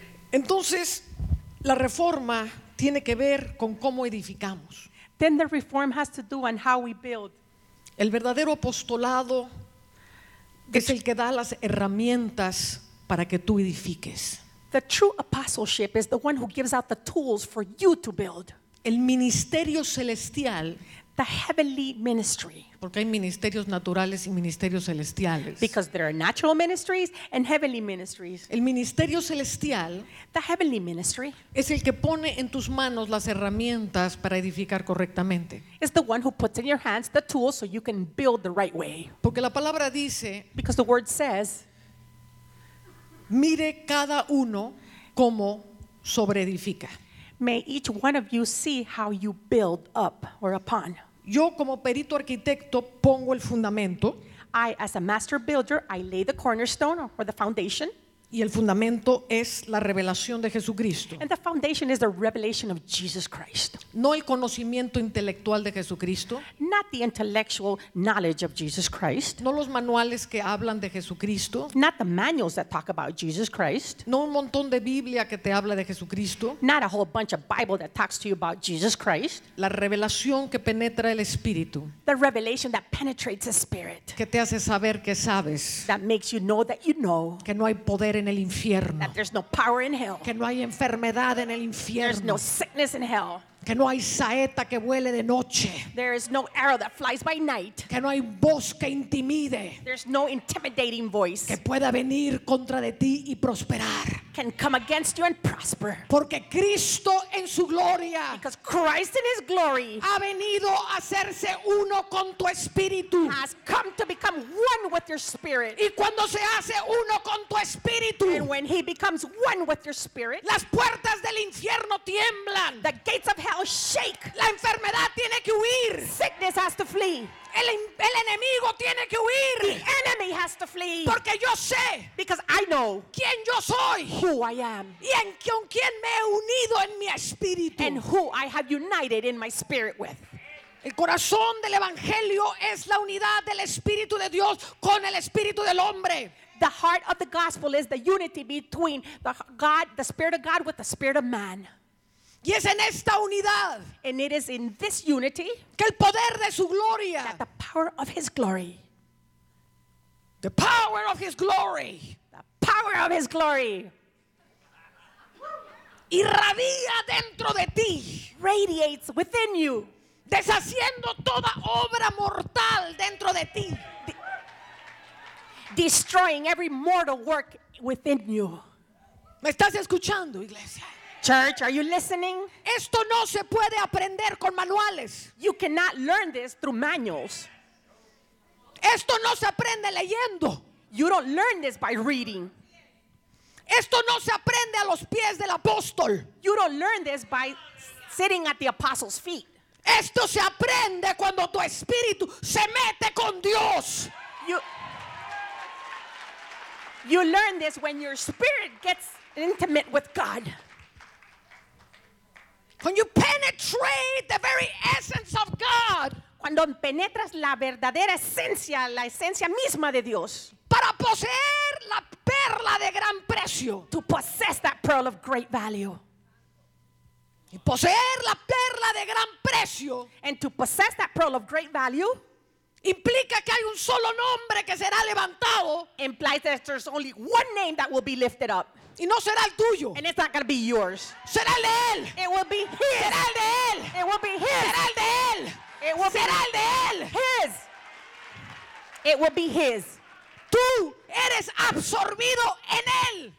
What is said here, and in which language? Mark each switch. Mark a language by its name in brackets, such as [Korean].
[Spanish] Entonces, la reforma tiene que ver con cómo edificamos. [English] Then the reform has to do on how we build. [Spanish] El verdadero apostolado es el que da las herramientas para que tú edifiques. [English] The true apostleship is the one who gives out the tools for you to build. [Spanish] El ministerio celestial. [English] The heavenly ministry. [Spanish] Porque hay ministerios naturales y ministerios celestiales. [English] Because there are natural ministries and heavenly ministries. [Spanish] El ministerio celestial. [English] The heavenly ministry. [Spanish] Es el que pone en tus manos las herramientas para edificar correctamente. [English] It's the one who puts in your hands the tools so you can build the right way. [Spanish] Porque la palabra dice. [English] Because the word says. [Spanish] Mire cada uno cómo sobreedifica. [English] May each one of you see how you build up or upon. [Spanish] Yo como perito arquitecto pongo el fundamento. [English] I, as a master builder, I lay the cornerstone or the foundation. [Spanish] Y el fundamento es la revelación de Jesucristo. [English] And the foundation is the revelation of Jesus Christ. [Spanish] No el conocimiento intelectual de Jesucristo. [English] Not the intellectual knowledge of Jesus Christ. [Spanish] No los manuales que hablan de Jesucristo. [English] Not the manuals that talk about Jesus Christ. [Spanish] No un montón de Biblia que te habla de Jesucristo. [English] Not a whole bunch of Bible that talks to you about Jesus Christ. [Spanish] La revelación que penetra el espíritu. [English] The revelation that penetrates the spirit. [Spanish] Que te hace saber que sabes. [English] That makes you know that you know. [Spanish] Que no hay poder en el infierno. [English] That there's no power in hell. [Spanish] Que no hay enfermedad en el infierno. [English] There's no sickness in hell. [Spanish] Que no hay saeta que vuele de noche. [English] There is no arrow that flies by night. [Spanish] Que no hay voz que intimide. [English] There's no intimidating voice. [Spanish] Que pueda venir contra de ti y prosperar. [English] Can come against you and prosper. [Spanish] Porque Cristo en su gloria. [English] Because Christ in his glory. [Spanish] Ha venido a hacerse uno con tu espíritu. [English] Has come to become one with your spirit. [Spanish] Y cuando se hace uno con tu espíritu. [English] And when he becomes one with your spirit. [Spanish] Las puertas del infierno tiemblan. [English] The gates of hell shake. [Spanish] La enfermedad tiene que huir. [English] Sickness has to flee. [Spanish] El enemigo tiene que huir. [English] The enemy has to flee. [Spanish] Porque yo sé. [English] Because I know. [Spanish] Quién yo soy. [English] Who I am. [Spanish] Y en con quién me he unido en mi espíritu. [English] And who I have united in my spirit with. [Spanish] El corazón del evangelio es la unidad del espíritu de Dios con el espíritu del hombre. [English] the heart of the gospel is the unity between the God, the Spirit of God with the Spirit of man. [Spanish] Y es en esta unidad. [English] And it is in this unity. [Spanish] Que el poder de su gloria. [English] That the power of his glory. The power of his glory. The power of his glory. [Spanish] Irradia dentro de ti. [English] Radiates within you. [Spanish] Deshaciendo toda obra mortal dentro de ti. [English] Destroying every mortal work within you. [Spanish] ¿Me estás escuchando, iglesia? [English] Church, are you listening? [Spanish] Esto no se puede aprender con manuales. [English] You cannot learn this through manuals. [Spanish] Esto no se aprende leyendo. [English] You don't learn this by reading. [Spanish] Esto no se aprende a los pies del apóstol. [English] You don't learn this by sitting at the apostles' feet. [Spanish] Esto se aprende cuando tu espíritu se mete con Dios. [English] You learn this when your spirit gets intimate with God. When you penetrate the very essence of God. [Spanish] Cuando penetras la verdadera esencia, la esencia misma de Dios. Para poseer la perla de gran precio. [English] To possess that pearl of great value. [Spanish] Y poseer la perla de gran precio. [English] And to possess that pearl of great value. [Spanish] Implica que hay un solo nombre que será levantado. [English] Implies that there's only one name that will be lifted up. [Spanish] Y no será el tuyo. [English] And it's not going to be yours. [Spanish] Será el de él. [English] It will be his. [Spanish] Será el de él. [English] It will be his. [Spanish] Será el de él. [English] It will [Spanish] será [English] be [Spanish] el de él. [English] His. It will be his. [Spanish] Tú eres absorbido en él.